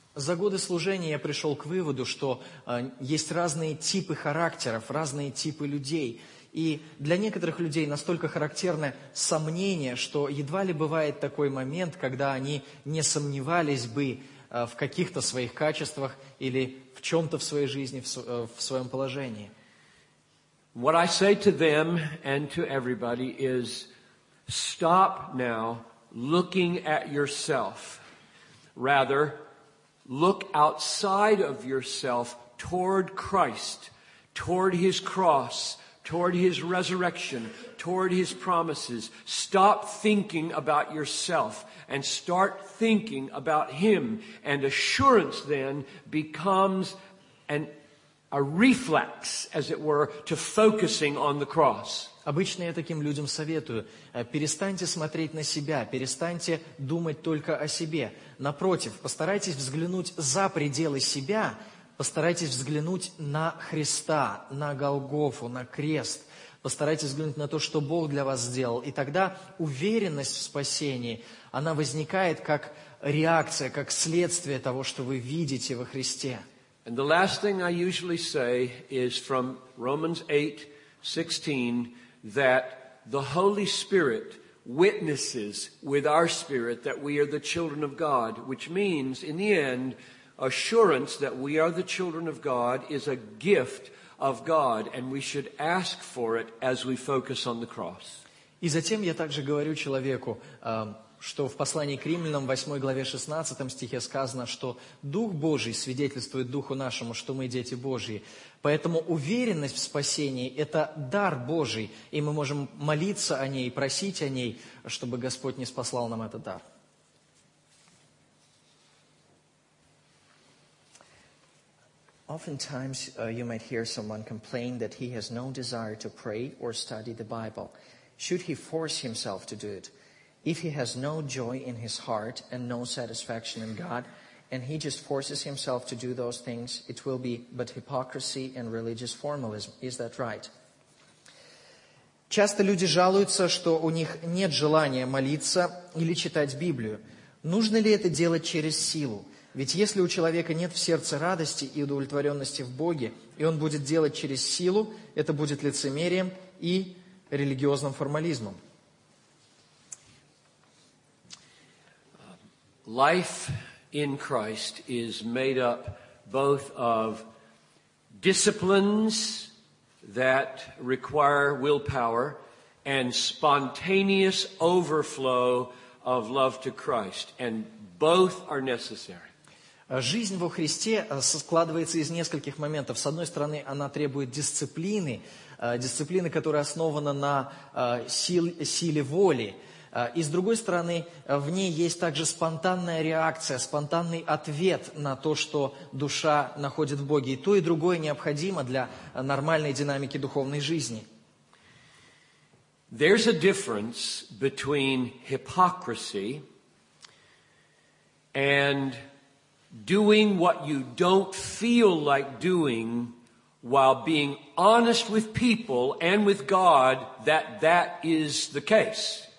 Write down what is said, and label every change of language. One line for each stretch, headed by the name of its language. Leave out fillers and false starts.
Russian: За годы служения я пришел к выводу, что есть разные типы характеров, разные типы людей. И для некоторых людей настолько характерно сомнение, что едва ли бывает такой момент, когда они не сомневались бы в каких-то своих качествах или в чем-то в своей жизни, в своем положении.
English: What I say to them and to everybody is, stop now looking at yourself. Rather, look outside of yourself toward Christ, toward His cross, toward His resurrection, toward His promises. Stop thinking about yourself and start thinking about Him. And assurance then becomes a reflex, as it were, to focusing on the cross.
Russian: Обычно я таким людям советую: перестаньте смотреть на себя, перестаньте думать только о себе. Напротив, постарайтесь взглянуть за пределы себя, постарайтесь взглянуть на Христа, на Голгофу, на крест. Постарайтесь взглянуть на то, что Бог для вас сделал. И тогда уверенность в спасении, она возникает как реакция, как следствие того, что вы видите во Христе.
English: And the last thing I usually say is from Romans 8:16, that the Holy Spirit witnesses with our spirit that we are the children of God, which means, in the end, assurance that we are the children of God is a gift of God, and we should ask for it as we focus on the cross.
Russian: И затем я также говорю человеку, что в послании к Римлянам, 8 главе 16 стихе сказано, что Дух Божий свидетельствует Духу нашему, что мы дети Божьи. Поэтому уверенность в спасении – это дар Божий, и мы можем молиться о ней, просить о ней, чтобы Господь ниспослал нам этот дар.
English: Oftentimes you might hear someone complain that he has no desire to pray or study the Bible. Should he force himself to do it? If he has no joy in his heart and no satisfaction in God, and he just forces himself to do those things, it will be but hypocrisy and religious formalism. Is that right?
Russian: Часто люди жалуются, что у них нет желания молиться или читать Библию. Нужно ли это делать через силу? Ведь если у человека нет в сердце радости и удовлетворенности в Боге, и он будет делать через силу, это будет лицемерием и религиозным формализмом.
English: Life in Christ is made up both of disciplines that require willpower and spontaneous overflow of love to Christ, and both are necessary.
Russian: Жизнь во Христе складывается из нескольких моментов. С одной стороны, она требует дисциплины, дисциплины, которая основана на силе воли. И с другой стороны, в ней есть также спонтанная реакция, спонтанный ответ на то, что душа находит в Боге. И то, и другое необходимо для нормальной динамики духовной жизни.
English: There's a difference between hypocrisy and doing what you don't feel like doing while being honest with people and with God that that is the case.